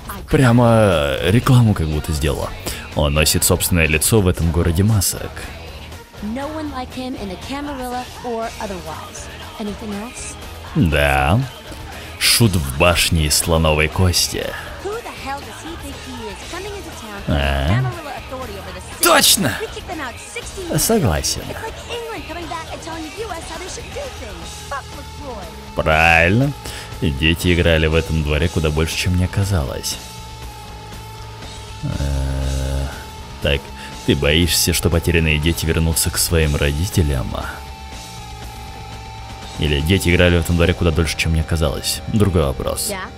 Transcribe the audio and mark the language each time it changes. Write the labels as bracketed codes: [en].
[ru] Прямо рекламу как будто сделала. Он носит собственное лицо в этом городе масок. [en] No one like him in the Camarilla or otherwise. Anything else? [ru] Да. Шут в башне из слоновой кости. [en] Who the hell does he think he is coming into town with Camarilla authority over the city? [ru] Точно! [en] We kicked them out 60 years ago. [ru] Согласен. [en] It's like England coming back and telling the US how they should do things. Fuck LaCroix. [ru] Правильно. Дети играли в этом дворе куда больше, чем мне казалось. Так. Ты боишься, что потерянные дети вернутся к своим родителям? Или дети играли в этом дворе куда дольше, чем мне казалось? Другой вопрос.